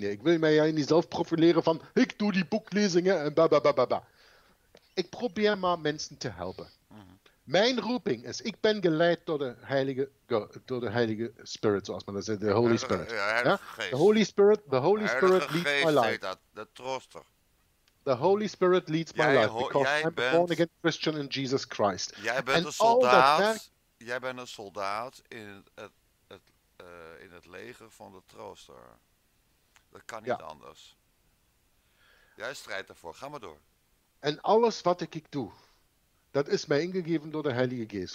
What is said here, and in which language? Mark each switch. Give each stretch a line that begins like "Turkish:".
Dutch: Nee. Ik wil mij ja niet zelf profileren van, ik doe die boeklezingen en ba ba ba ba ba. Ik probeer maar mensen te helpen. Mm-hmm. Mijn roeping is, ik ben geleid door de Heilige Spirit, zoals men dat zegt, de Holy Spirit.
English: The Holy Spirit leads my life.
Dutch: De trooster.
English: The Holy Spirit leads my life, because I'm a born again Christian in Jesus Christ.
Dutch: Jij bent een soldaat in het leger van de trooster. Dat kan niet anders. Jij strijdt ervoor, ga maar door. En alles wat ik doe, dat is mij ingegeven door de Heilige Geest.